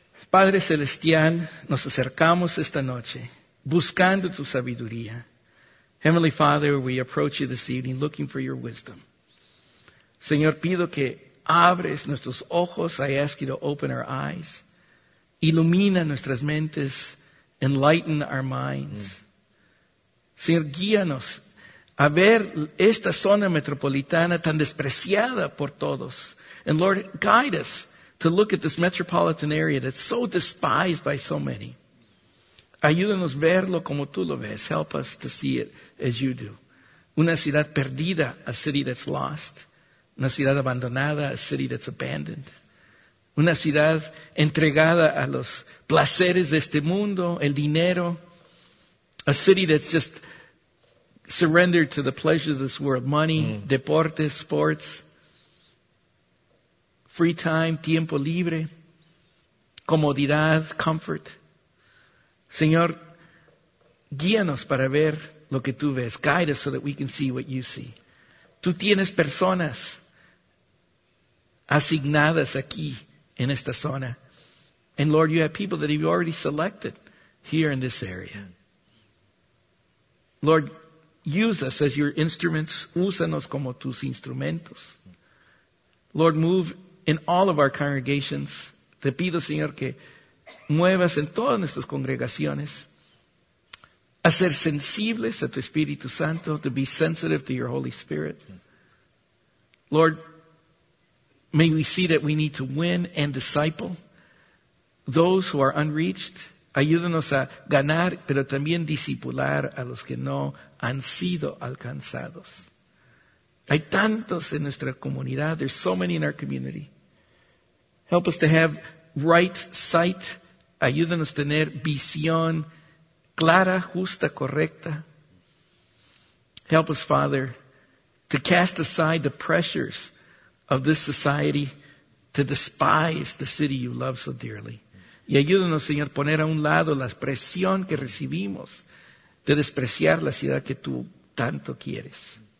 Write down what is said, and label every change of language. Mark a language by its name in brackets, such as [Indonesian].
[Spanish] Padre Celestial, nos acercamos esta noche buscando tu sabiduría. [English] Heavenly Father, we approach you this evening looking for your wisdom. [Spanish] Señor, pido que abres nuestros ojos. [English] I ask you to open our eyes. [Spanish] Ilumina nuestras mentes. [English] Enlighten our minds. [Spanish] Mm. Señor, guíanos a ver esta zona metropolitana tan despreciada por todos. [English] And Lord, guide us to look at this metropolitan area that's so despised by so many. [Spanish] Ayúdanos verlo como tú lo ves. [English] Help us to see it as you do. [Spanish] Una ciudad perdida, [English] a city that's lost. [Spanish] Una ciudad abandonada, [English] a city that's abandoned. [Spanish] Una ciudad entregada a los placeres de este mundo, el dinero. [English] A city that's just surrendered to the pleasure of this world. Money, [Spanish] deportes, [English] sports, free time, [Spanish] tiempo libre, comodidad, [English] comfort. [Spanish] Señor, guíanos para ver lo que tú ves. [English] Guide us so that we can see what you see. [Spanish] Tú tienes personas asignadas aquí en esta zona. [English] And Lord, you have people that you've already selected here in this area. Lord, use us as your instruments. [Spanish] Úsanos como tus instrumentos. [English] Lord, move in all of our congregations. [Spanish] Te pido, Señor, que muevas en todas nuestras congregaciones a ser sensibles a tu Espíritu Santo, [English] to be sensitive to your Holy Spirit. Lord, may we see that we need to win and disciple those who are unreached. [Spanish] Ayúdanos a ganar, pero también discipular a los que no han sido alcanzados. Hay tantos en nuestra comunidad. [English] There's so many in our community. Help us to have right sight. [Spanish] Ayúdanos a tener visión clara, justa, correcta. [English] Help us, Father, to cast aside the pressures of this society to despise the city you love so dearly. [Spanish] Y ayúdanos, Señor, poner a un lado la presión que recibimos de despreciar la ciudad que tú tanto quieres.